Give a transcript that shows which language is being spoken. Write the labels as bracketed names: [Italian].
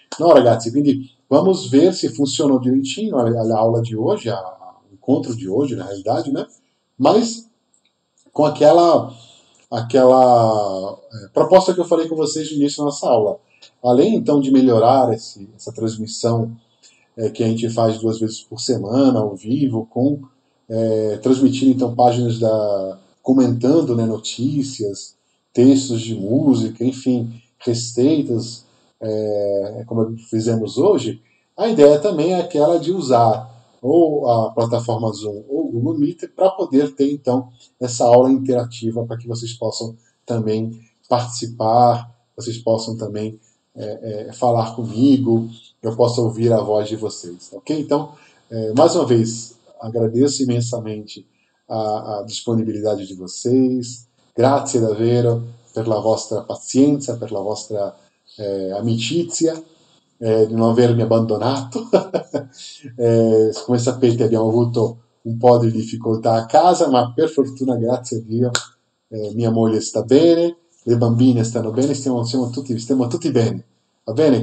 [Italian] No, ragazzi, quindi [Portuguese] vamos ver se [Italian] funziona di vicino all'aula di oggi, all'incontro di oggi, nella realtà, ma con [Portuguese] aquela proposta que eu falei com vocês no início da nossa aula. Além, então, de melhorar essa transmissão que a gente faz duas vezes por semana, ao vivo, com transmitindo, então, páginas comentando, né, notícias, textos de música, enfim, receitas, como fizemos hoje, a ideia também é aquela de usar ou a plataforma Zoom ou o Google Meet para poder ter então essa aula interativa para que vocês possam também participar, vocês possam também falar comigo, eu possa ouvir a voz de vocês, ok? Então, mais uma vez, agradeço imensamente a disponibilidade de vocês. [Italian] Grazie davvero per la vostra pazienza, per la vostra amicizia, di non avermi abbandonato. come sapete, abbiamo avuto un po' di difficoltà a casa, ma per fortuna, grazie a Dio, mia moglie sta bene, le bambine stanno bene, stiamo tutti bene. Va bene?